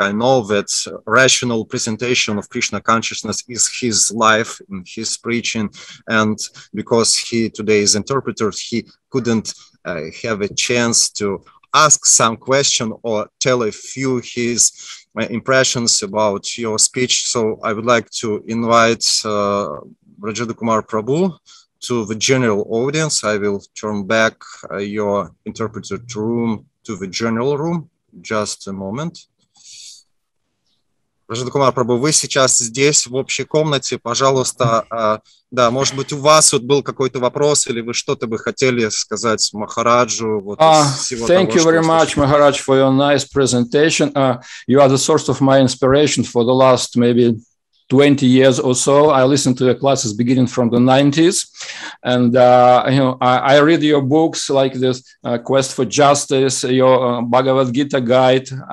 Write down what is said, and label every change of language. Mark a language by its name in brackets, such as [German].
[English] I know that rational presentation of Krishna consciousness is his life in his preaching, and because he today is interpreter, he couldn't have a chance to ask some question or tell a few his impressions about your speech. So I would like to invite Vajrada Kumar Prabhu to the general audience. I will turn back your interpreter room to the general room. Just a moment. [Russian] Вражда Кумар Прабу, вы сейчас здесь, в общей комнате, пожалуйста. Да, может быть, у вас вот был какой-то вопрос, или вы что-то бы хотели сказать Махараджу? Вот, [English] thank того, you very much, Махарадж, for your nice presentation. You are the source of my inspiration for the last maybe 20 years or so. I listened to your classes beginning from the 90s. And you know, I read your books like this Quest for Justice, your Bhagavad Gita guide.